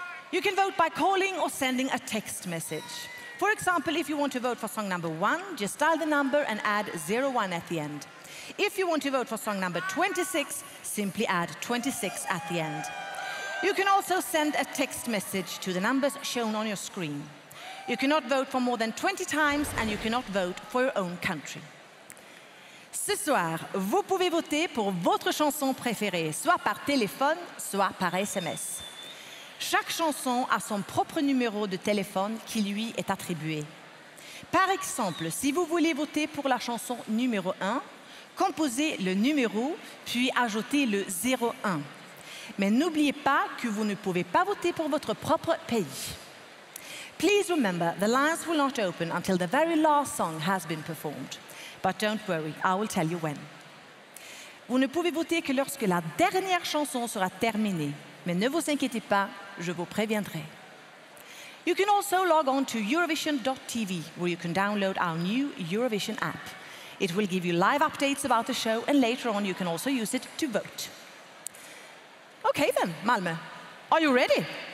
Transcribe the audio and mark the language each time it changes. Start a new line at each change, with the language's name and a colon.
English: You can vote by calling or sending a text message. For example, if you want to vote for song number 1, just dial the number and add 01 at the end. If you want to vote for song number 26, simply add 26 at the end. You can also send a text message to the numbers shown on your screen. You cannot vote for more than 20 times and you cannot vote for your own country.
French: Ce soir, vous pouvez voter pour votre chanson préférée, soit par téléphone, soit par SMS. Chaque chanson a son propre numéro de téléphone qui lui est attribué. Par exemple, si vous voulez voter pour la chanson numéro 1, composez le numéro puis ajoutez le 01. Mais n'oubliez pas que vous ne pouvez pas voter pour votre propre pays.
English: Please remember, the lines will not open until the very last song has been performed. But don't worry, I will tell you when.
French: Vous ne pouvez voter que lorsque la dernière chanson sera terminée. Mais ne vous inquiétez pas, je vous préviendrai.
English: You can also log on to Eurovision.tv, where you can download our new Eurovision app. It will give you live updates about the show, and later on you can also use it to vote. Okay then, Malmö, are you ready?